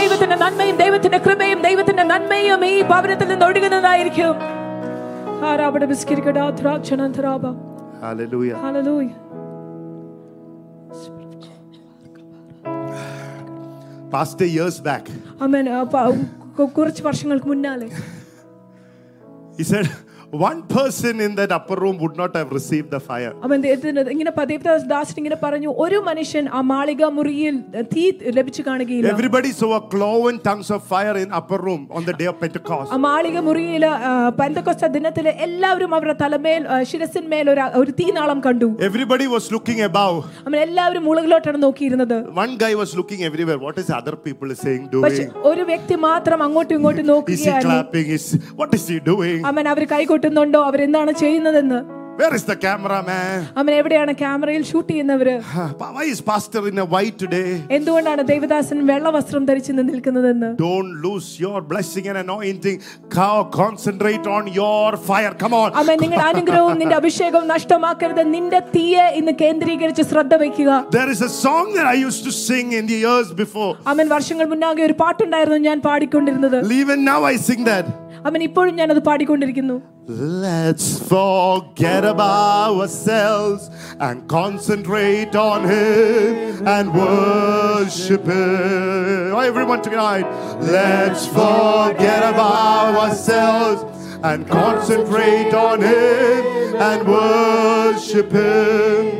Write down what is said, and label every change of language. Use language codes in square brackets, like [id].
[ml] ദൈവത്തിന്റെ നന്മയും ദൈവത്തിന്റെ കൃപയും ദൈവത്തിന്റെ നന്മയും ഈ ഭവനത്തിൽ നിന്ന് ഒഴുകുന്നതായിരിക്കും. കുറച്ച് വർഷങ്ങൾക്ക് മുന്നാലെ [en] one person in that upper room would not have received the fire. Amen. [ml] ഇങ്ങനെ പദേപ്രദാസ് ദാസ് ഇങ്ങനെ പറഞ്ഞു, ഒരു മനുഷ്യൻ ആ മാളിക മുറിയിൽ തീ ലഭിച്ചു കാണുകയില്ല. [en] Everybody saw a cloven tongues of fire in upper room on the day of Pentecost. [ml] ആ മാളിക മുറിയിൽ പെന്തക്കോസ്ത ദിനത്തിൽ എല്ലാവരും അവരുടെ തലമേൽ ശിരസ്സിന്മേൽ ഒരു തീനാളം കണ്ടു. [en] Everybody was looking above. [ml] അമ്മ എല്ലാവരും മുകളിലോട്ടാണ് നോക്കിയിരുന്നത്. [en] One guy was looking everywhere. What is other people saying doing? [ml] പക്ഷേ ഒരു വ്യക്തി മാത്രം അങ്ങോട്ടും ഇങ്ങോട്ടും നോക്കുകയായിരുന്നു. [en] He's clapping. What is he doing? [ml] അമ്മ അവർ കൈ കൊട്ടുന്നുണ്ടോ, അവരെന്താണ് ചെയ്യുന്നതെന്ന്? [en] Where is the cameraman? [ml] അമ്മേ എവിടെയാണ് ക്യാമറയിൽ ഷൂട്ട് ചെയ്യുന്നവര്? [en] Why is pastor in a white today? [ml] എന്തുകൊണ്ടാണ് ദൈവദാസൻ വെള്ള വസ്ത്രം ധരിച്ച് നിൽക്കുന്നതെന്ന്? [en] Don't lose your blessing and anointing. Concentrate on your fire. Come on. [ml] അമ്മേ നിങ്ങളുടെ അനുഗ്രഹവും നിന്റെ അഭിഷേകവും നഷ്ടമാക്കരുത്. നിന്റെ തീയെ ഇന്ന് കേന്ദ്രീകരിച്ച് ശ്രദ്ധ വെക്കുക. [en] There is a song that I used to sing in the years before. [ml] അമ്മേ വർഷങ്ങൾ മുന്നാകെ ഒരു പാട്ടുണ്ടായിരുന്നു ഞാൻ പാടിക്കൊണ്ടിരുന്നത്. [en] Even now I sing that. [ml] അമ്മേ ഇപ്പോഴും ഞാൻ അത് പാടിക്കൊണ്ടിരിക്കുന്നു. [en] Let's forget about ourselves and concentrate on him and worship him. Oh, everyone tonight, let's forget about ourselves and concentrate on him and worship him.